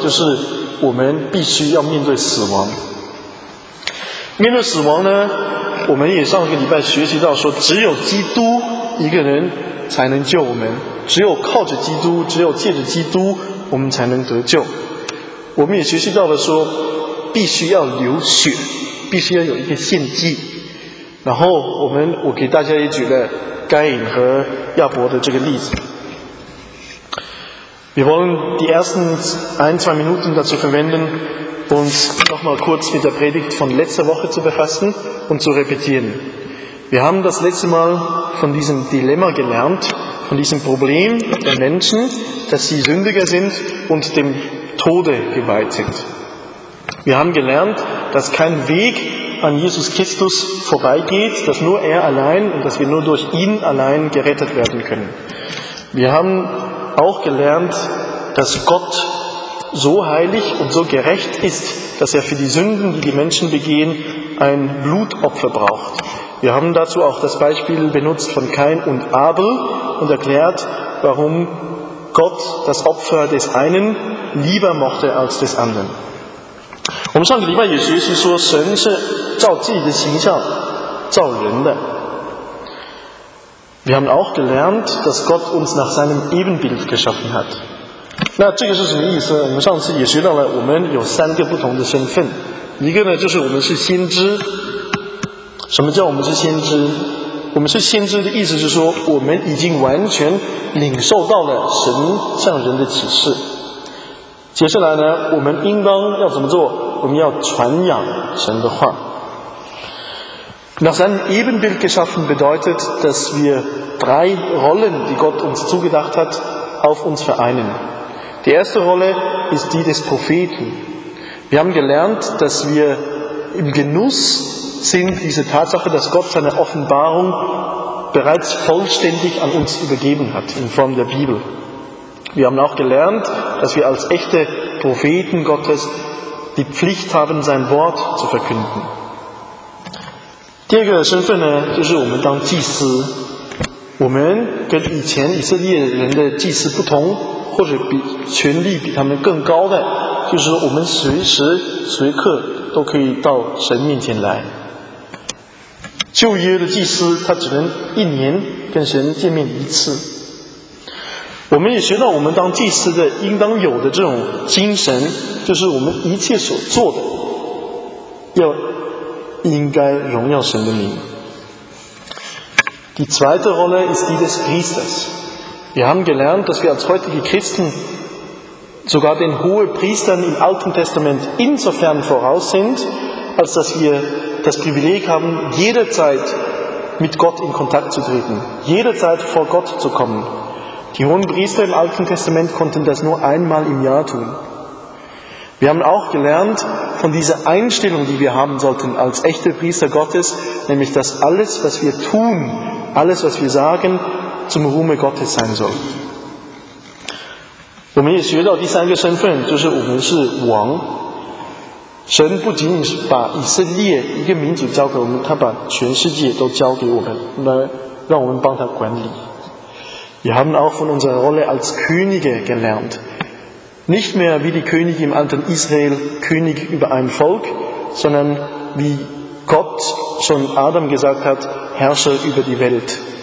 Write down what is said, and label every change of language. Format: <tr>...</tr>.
<zh>就是我们必须要面对死亡。面对死亡呢，我们也上个礼拜学习到说，只有基督一个人才能救我们，只有靠着基督，只有借着基督，我们才能得救。我们也学习到了说，必须要流血，必须要有一个献祭。然后我给大家也举了该隐和亚伯的这个例子。</zh> <de>Wir wollen die ersten ein, zwei Minuten dazu verwenden, uns nochmal kurz mit der Predigt von letzter Woche zu befassen und zu repetieren. Wir haben das letzte Mal von diesem Dilemma gelernt, von diesem Problem der Menschen, dass sie Sündiger sind und dem Tode geweiht sind. Wir haben gelernt, dass kein Weg an Jesus Christus vorbeigeht, dass nur er allein und dass wir nur durch ihn allein gerettet werden können. Wir haben auch gelernt, dass Gott so heilig und so gerecht ist, dass er für die Sünden, die die Menschen begehen, ein Blutopfer braucht. Wir haben dazu auch das Beispiel benutzt von Kain und Abel und erklärt, warum Gott das Opfer des einen lieber mochte als des anderen.</de> <zh>我们上个礼拜也学习说，神是照自己的形象造人的。</zh> <de>Wir haben auch gelernt, dass Gott uns nach seinem Ebenbild geschaffen hat.</de> <zh>那这个是什么意思？我们上次也学到了，我们有三个不同的身份。一个呢，就是我们是先知。什么叫我们是先知？我们是先知的意思是说，我们已经完全领受到了神向人的启示。接下来呢，我们应当要怎么做？我们要传扬神的话。</zh> <de>Nach seinem Ebenbild geschaffen bedeutet, dass wir drei Rollen, die Gott uns zugedacht hat, auf uns vereinen. Die erste Rolle ist die des Propheten. Wir haben gelernt, dass wir im Genuss sind, diese Tatsache, dass Gott seine Offenbarung bereits vollständig an uns übergeben hat, in Form der Bibel. Wir haben auch gelernt, dass wir als echte Propheten Gottes die Pflicht haben, sein Wort zu verkünden.</de> <zh>第二个身份呢，就是我们当祭司。我们跟以前以色列人的祭司不同，或者比权力比他们更高的，就是我们随时随刻都可以到神面前来。旧约的祭司他只能一年跟神见面一次。我们也学到我们当祭司的应当有的这种精神，就是我们一切所做的要应该荣耀神的名。</zh> <de>Die zweite Rolle ist die des Priesters. Wir haben gelernt, dass wir als heutige Christen sogar den hohen Priestern im Alten Testament insofern voraus sind, als dass wir das Privileg haben, jederzeit mit Gott in Kontakt zu treten, jederzeit vor Gott zu kommen. Die hohen Priester im Alten Testament konnten das nur einmal im Jahr tun. Wir haben auch gelernt von dieser Einstellung, die wir haben sollten als echte Priester Gottes, nämlich dass alles, was wir tun, alles, was wir sagen, zum Ruhme Gottes sein soll.</de> <zh>我们也学到第三个身份，就是我们是王。神不仅仅是把以色列一个民族交给我们，他把全世界都交给我们，来让我们帮他管理。</zh> <de>Wir haben auch von unserer Rolle als Könige gelernt. Nicht mehr wie die Könige im alten Israel, König über ein Volk, sondern wie Gott schon Adam gesagt hat, Herrscher über die Welt.</de>